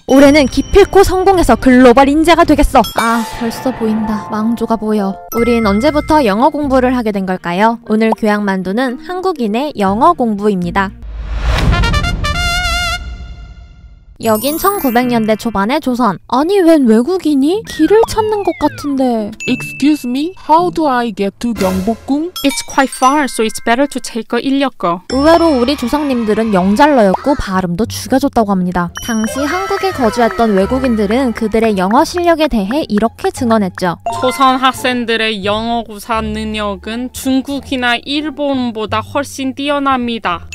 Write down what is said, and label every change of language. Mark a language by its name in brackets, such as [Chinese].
[Korean] 올해는 기필코 성공해서 글로벌 인재가 되겠어. 아, 벌써 보인다. 망조가 보여. 우린 언제부터 영어 공부를 하게 된 걸까요? 오늘 교양만두는 한국인의 영어 공부 입니다. 여긴 1900년대 초반의 조선. 아니, 웬 외국인이 길을 찾는 것 같은데. [English] Excuse me, how do I get to 경복궁? It's quite far, so it's better to take a 인력거. [Korean] 의외로 우리 조상님들은 영잘러였고 발음도 죽여줬다고 합니다. 당시 한국에 거주했던 외국인들은 그들의 영어 실력에 대해 이렇게 증언했죠. 조선 학생들의 영어 구사 능력은 중국이나 일본보다 훨씬 뛰어납니다.